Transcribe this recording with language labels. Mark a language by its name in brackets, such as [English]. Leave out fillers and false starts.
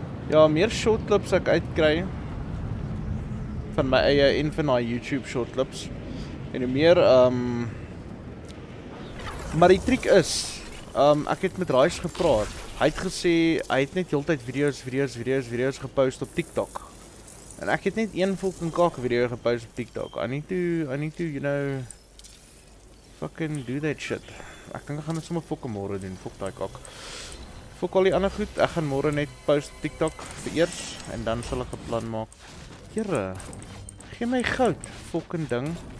[Afrikaans] Ja, meer short clips ek uitkry van my eie en van daai YouTube short clips. En hoe meer maar die triek is, ek het met Raish gepraat. Hy het gesê, hy het net heeltyd video's gepost op TikTok. En ek het net een fucking kak video gepost op TikTok. [English] I need to, you know, fucking do that shit. [Afrikaans] Ek dink ek gaan dit sommer fucking môre doen, fuck daai kak. Fuck al die ander goed, ek gaan môre net post op TikTok vir eers, en dan sal ek 'n plan maak. Here, gee my goud, fucking ding.